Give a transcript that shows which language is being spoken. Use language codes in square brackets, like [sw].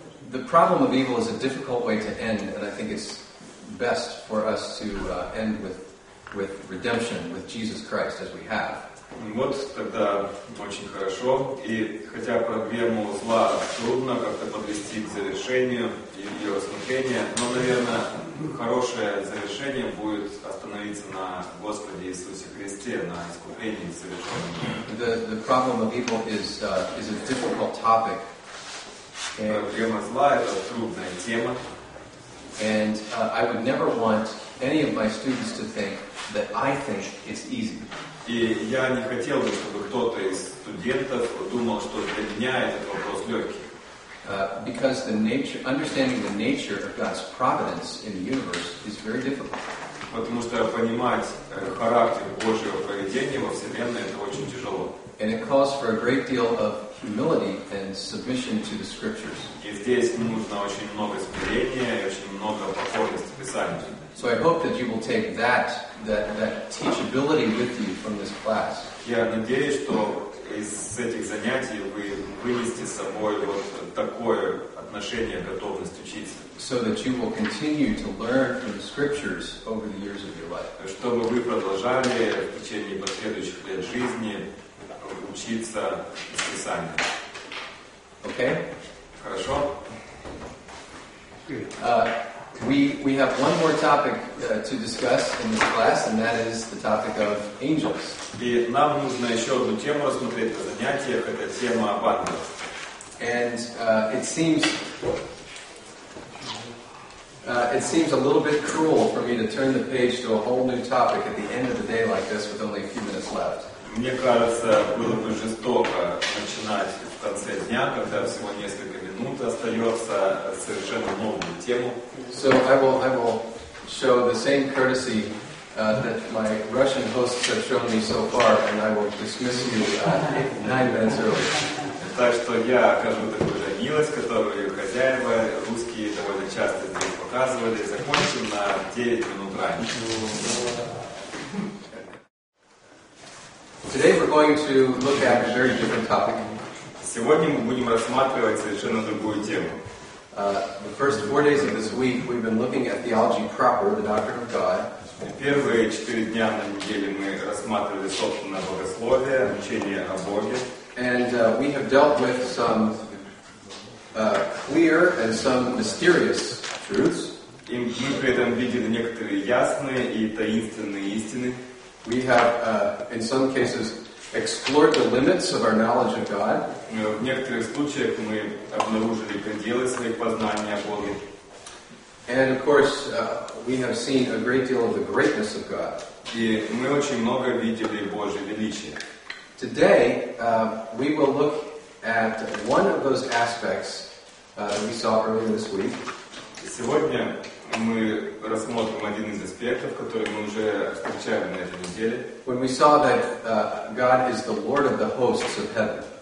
[en] The problem of evil is a difficult way to end, and I think it's best for us to end with redemption, with Jesus Christ, as we have. [ru] Вот тогда очень хорошо. И хотя проблему зла трудно как-то подвести к завершению и ее рассмотрению, но, наверное, хорошее завершение будет остановиться на Господе Иисусе Христе, на искуплении и завершении. [en] The problem of evil is a difficult topic. [ru] Проблема зла – это трудная тема. [en] And I would never want any of my students to think that I think it's easy. [ru] И я не хотел бы, чтобы кто-то из студентов думал, что для меня этот вопрос легкий. [en] Because the nature, understanding the nature of God's providence in the universe is very difficult. [ru] Потому что понимать характер Божьего поведения во Вселенной это очень тяжело. [en] And it calls for a great deal of humility and submission to the scriptures. [ru] И здесь нужно очень много смирения и очень много покорности Писанию. [en] So I hope that you will take that teachability with you from this class. [ru] Я надеюсь, что из этих занятий вы вынести с собой вот такое отношение. отношение готовность учиться. [en] So that you will continue to learn from the scriptures over the years of your life. [ru] Чтобы вы продолжали в течение последующих лет жизни учиться из Писания. [en] Okay? [ru] Хорошо. [en] We have one more topic to discuss in this class, and that is the topic of angels. [ru] И нам нужно еще одну тему рассмотреть на занятиях. Это тема об ангелах. [en] And it seems a little bit cruel for me to turn the page to a whole new topic at the end of the day like this with only a few minutes left. [ru] Мне кажется, было бы жестоко начинать в конце дня, когда всего несколько минут остается, совершенно новую тему. [en] So I will show the same courtesy that my Russian hosts have shown me so far, and I will dismiss you 9 minutes early. [ru] Так что я окажу такую же милость, которую хозяева русские довольно часто здесь показывали. Закончим на 9 минут раньше. [en] Today we're going to look at a very different topic. [ru] Сегодня мы будем рассматривать совершенно другую тему. [en] The first 4 days of this week we've been looking at theology proper, the doctrine of God. [ru] Первые 4 дня на неделе мы рассматривали собственно богословие, учение о Боге. [en] And we have dealt with some clear and some mysterious truths. [ru] И мы при этом видели некоторые ясные и таинственные истины. [en] We have, in some cases, explored the limits of our knowledge of God. [ru] В некоторых случаях мы обнаружили пределы своих познаний о Боге. [en] And of course, we have seen a great deal of the greatness of God. [ru] И мы очень много видели Божье величие. [en] Today, we will look at one of those aspects that we saw earlier this week. [ru] Сегодня мы рассмотрим один из аспектов, который мы уже встречали на этой неделе. [en] When we saw that God is the Lord of the hosts of heaven.